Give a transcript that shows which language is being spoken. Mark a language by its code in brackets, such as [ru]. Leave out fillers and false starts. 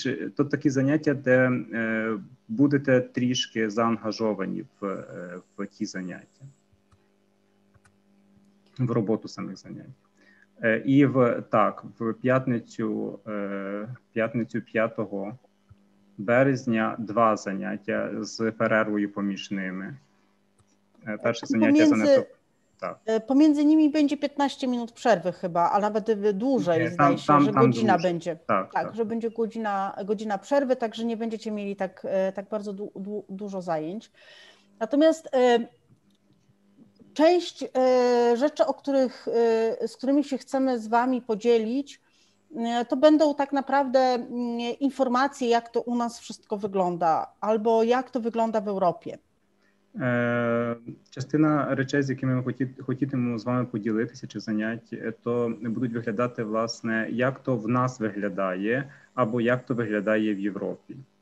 [uk] То такі заняття, де будете трішки заангажовані в ті заняття, в роботу самих занять. І в п'ятницю 5 березня два заняття з перервою поміж ними. Перше заняття за нетоп. [pl] Tak. Pomiędzy nimi będzie 15 minut przerwy chyba, a nawet dłużej, nie, zdaje się, że godzina dłużej. Będzie. Tak, że będzie godzina przerwy, także nie będziecie mieli tak bardzo dużo zajęć. Natomiast część rzeczy, z którymi się chcemy z Wami podzielić, to będą tak naprawdę informacje, jak to u nas wszystko wygląda, albo jak to wygląda w Europie. [uk] Частина речей, з якими ми хотітимемо з вами поділитися чи заняття, то будуть виглядати, власне, як то в нас виглядає або як то виглядає в Європі.